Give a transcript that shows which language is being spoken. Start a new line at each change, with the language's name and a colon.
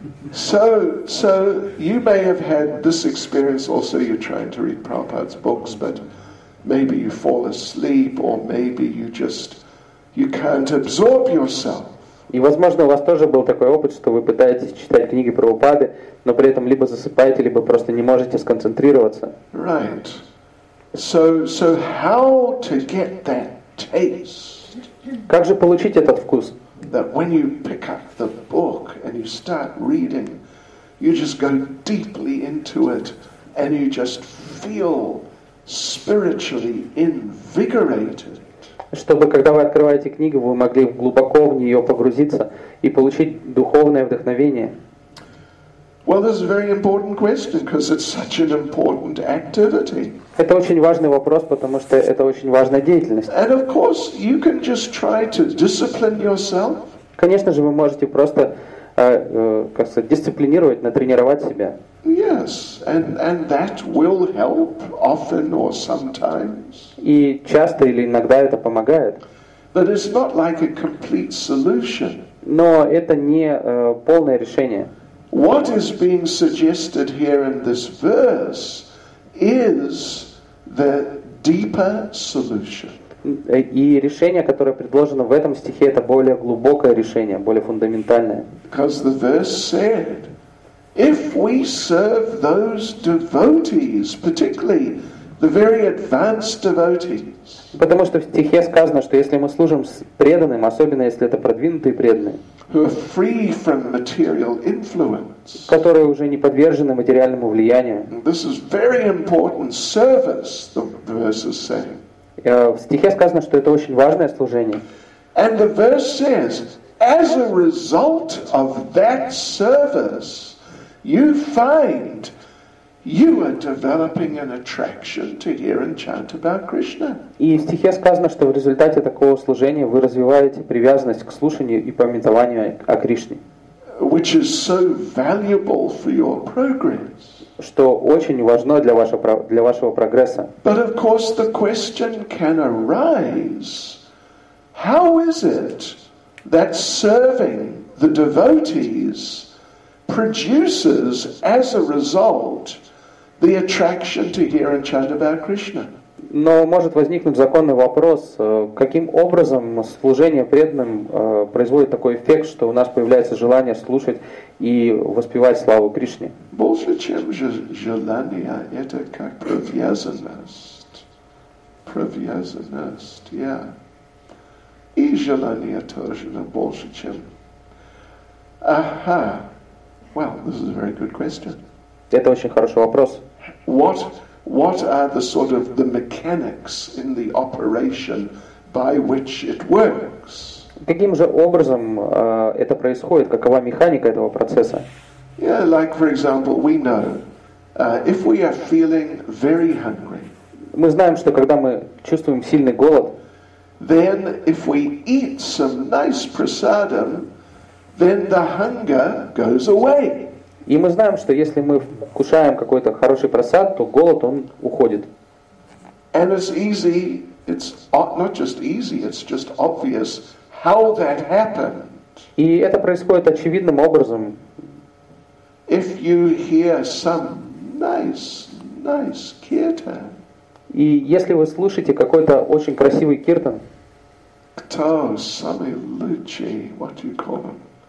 English: So you may have had this experience also, you're trying to read Prabhupada's books, but maybe you fall asleep, or maybe you just... You can't absorb yourself.
Russian: И, возможно, у вас тоже был такой опыт, что вы пытаетесь читать книги Прабхупады, но при этом либо засыпаете, либо просто не можете сконцентрироваться.
English: Right. So how to get that taste?
Russian: Как же получить этот вкус?
English: That when you pick up the book and you start reading, you just go deeply into it and you just feel spiritually invigorated.
Russian: Чтобы, когда вы открываете книгу, вы могли глубоко в нее погрузиться и получить духовное вдохновение.
English: Well, this is a very important question, because it's such an important activity.
Russian: Это очень важный вопрос, потому что это очень важная деятельность.
English: And of course, you can just try to discipline yourself.
Russian: Конечно же, вы можете просто как сказать, дисциплинировать, натренировать себя.
English: Yes, and that will help often or sometimes.
Russian: И часто или иногда это помогает.
English: But it's not like a complete solution.
Russian: Но это не полное решение.
English: What is being suggested here in this verse is the deeper solution.
Russian: И решение, которое предложено в этом стихе, это более глубокое решение, более фундаментальное.
English: Because the verse said, if we serve those devotees, particularly the very advanced devotees.
Russian: Потому что в стихе сказано, что если мы служим преданным, особенно если это продвинутые преданные,
English: who are free from material influence,
Russian: которые уже не подвержены материальному влиянию.
English: This is very important service, the verse is saying.
Russian: В стихе сказано, что это очень важное служение.
English: And the verse says, as a result of that service, you find you are developing an attraction to hear and chant about Krishna.
Russian: И в стихе сказано, что в результате такого служения вы развиваете привязанность к слушанию и памятованию о Кришне.
English: Which is so valuable for your progress.
Russian: что очень важно для вашего прогресса.
English: But of course the question can arise, how is it that serving the devotees produces as a result the attraction to hear and chant about Krishna?
Russian: Но может возникнуть законный вопрос, каким образом служение преданным производит такой эффект, что у нас появляется желание слушать и воспевать славу Кришне? Больше, чем желание, это как привязанность. Привязанность, yeah. И желание тоже, но больше, чем...
English: Ага. Well, this is a very good question.
Russian: Это очень хороший вопрос.
English: What are the sort of the mechanics in the operation by which it works?
Russian: Каким же образом это происходит? Какова механика этого процесса?
English: Yeah, like for example, we know if we are feeling very hungry.
Russian: Мы знаем, что когда мы чувствуем сильный голод,
English: then if we eat some nice prasadam, then the hunger goes away.
Russian: И мы знаем, что если мы вкушаем какой-то хороший просад, то голод, он уходит.
English: And it's easy, it's not just easy, it's just obvious how that happened.
Russian: И это происходит очевидным образом.
English: If you hear some nice kirtan.
Russian: И если вы слушаете какой-то очень красивый киртан. Кто, самый лучший,
English: what do you call him?